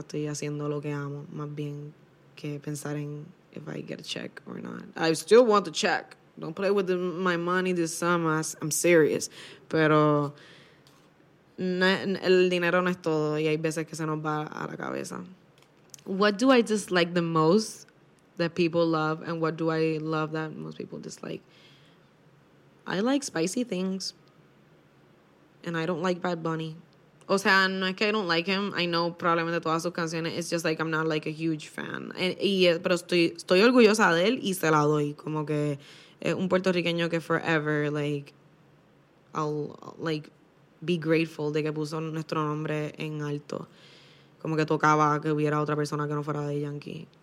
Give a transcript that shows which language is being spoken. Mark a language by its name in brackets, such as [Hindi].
[Spanish] Estoy haciendo lo que amo, más bien que pensar en [English] if I get a check or not. I still want the check. Don't play with my money this summer. I'm serious. [Spanish] Pero el dinero no es todo y hay veces que se nos va a la cabeza. [English] What do I dislike the most that people love, and what do I love that most people dislike? I like spicy things. And I don't like Bad Bunny. [Spanish] O sea, no es que [English] I don't like him. I know [Spanish] probablemente todas sus canciones. [English] It's just like I'm not like a huge fan. [Spanish] Pero estoy orgullosa de él y se la doy. Como que un puertorriqueño que [English] forever, like, I'll, like, be grateful [Spanish] de que puso nuestro nombre en alto. Como que tocaba que hubiera otra persona que no fuera de Yankee.